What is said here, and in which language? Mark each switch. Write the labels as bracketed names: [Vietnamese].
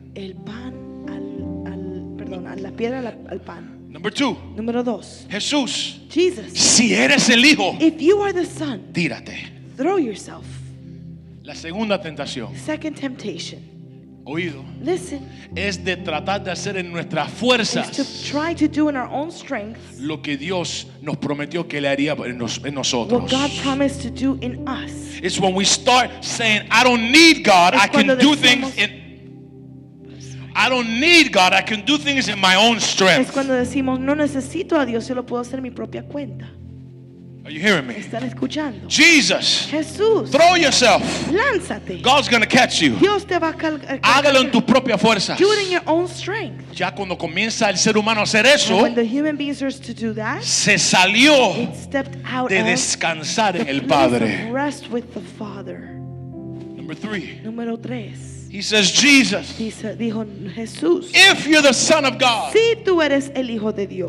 [Spanish] El pan al perdón, a la piedra al pan. [English] Number two. [Spanish] Número dos. Jesús. [English] Jesus. [Spanish] Si eres el hijo. [English] If you are the son. [Spanish] Tírate. [English] Throw yourself. [Spanish] La segunda tentación. [English] Second temptation. [Spanish] Oído. [English] Listen. [Spanish] Es de tratar de hacer en nuestras fuerzas. [English] Is to try to do in our own strength. [Spanish] Lo que Dios nos prometió que le haría en nosotros. [English] What God promised to do in us. It's when we start saying, I don't need God. It's I can do things in. I don't need God. I can do things in my own strength. [Spanish] Es cuando decimos no necesito a Dios, yo lo puedo hacer en mi propia cuenta. [English] Are you hearing me? [Spanish] ¿Están escuchando? [English] Jesus. [Spanish] Jesús. [English] Throw yourself. [Spanish] Lánzate. [English] God's going to catch you. [Spanish] Dios te va a Hágalo en tu propia fuerza. [English] Do it in your own strength. [Spanish] Ya cuando comienza el ser humano a hacer eso, [English] when the human being starts to do that, [Spanish] se salió [English] it stepped out [Spanish] de descansar en el Padre. [English] Rest with the Father. Number three. [Spanish] Número tres. [English] He says, Jesus. [Spanish] Dice, dijo Jesús. [English] If you're the Son of God. [Spanish] Si tú eres el hijo de Dios.